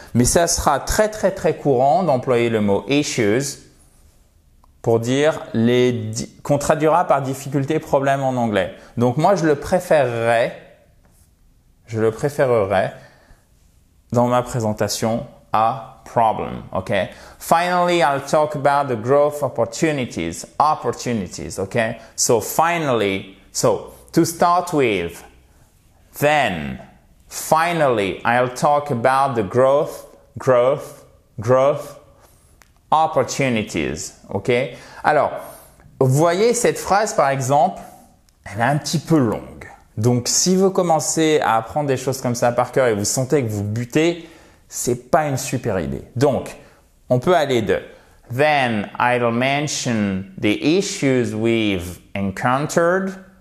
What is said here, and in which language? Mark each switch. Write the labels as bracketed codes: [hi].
[fr] Mais ça sera très très très courant d'employer le mot issues pour dire les qu'on traduira par difficulté, problème en anglais. Donc moi je le préférerais dans ma présentation à problem, ok? [en] Finally, I'll talk about the growth opportunities, ok? So finally, so to start with, then, finally, I'll talk about the growth opportunities, ok? [fr] Alors, vous voyez cette phrase par exemple, elle est un petit peu longue. Donc, si vous commencez à apprendre des choses comme ça par cœur et vous sentez que vous butez, c'est pas une super idée. Donc, on peut aller de « [en] Then I'll mention the issues we've encountered.